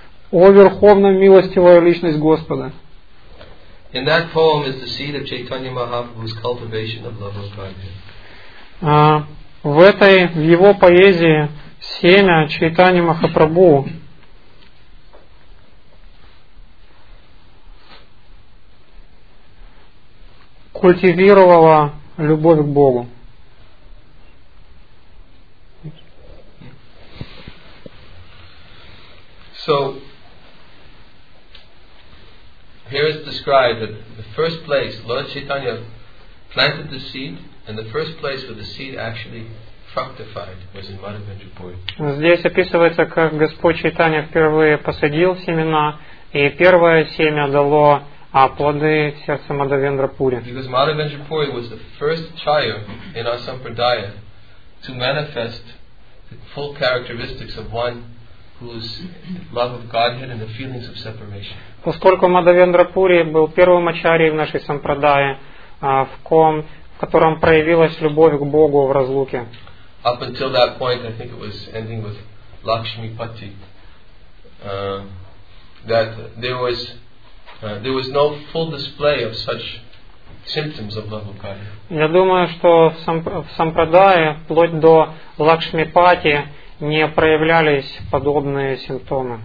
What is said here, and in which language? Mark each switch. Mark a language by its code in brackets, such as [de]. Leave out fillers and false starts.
[ru] О, верховно милостивая личность Господа. [en] In that poem is the seed of Chaitanya Mahaprabhu's cultivation of love of Godhead. [ru] В этой, в его поэзии, семя Чайтани Махапрабху. Культивировала любовь к Богу. [en] So here is described that the first place Lord Chaitanya planted the seed, and the first place where the seed actually fructified was in Madhavendrapuri. [ru] Здесь описывается, как Господь Чайтанья впервые посадил семена, и первое семя дало плоды сердца Мадхавендрапури. [en] Because Madhavendrapuri was the first chaya in our sampradaya to manifest the full characteristics of one whose love of Godhead and the feelings of separation. [ru] Поскольку Мадхавендрапури был первым ачарьей в нашей сампрадае, в котором проявилась любовь к Богу в разлуке. [en] up until that point, I think it was ending with Lakshmipati, that there was no full display of such symptoms of love of God. [ru] Я думаю, что в Сампрадае вплоть до Лакшмипати не проявлялись подобные симптомы.